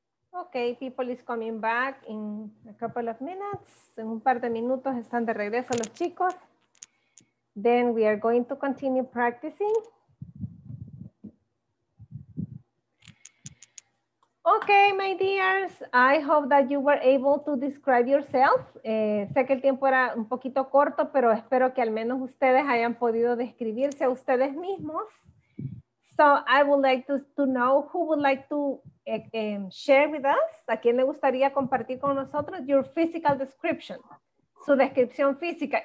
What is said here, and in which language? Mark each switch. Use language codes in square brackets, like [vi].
[en] Ok, people is coming back in a couple of minutes. [es] En un par de minutos están de regreso los chicos. [en] Then we are going to continue practicing. Ok, my dears, I hope that you were able to describe yourself. [es] Sé que el tiempo era un poquito corto, pero espero que al menos ustedes hayan podido describirse a ustedes mismos. [en] So I would like to know who would like to share with us, [es] a quien le gustaría compartir con nosotros, [en] your physical description, [es] su descripción física.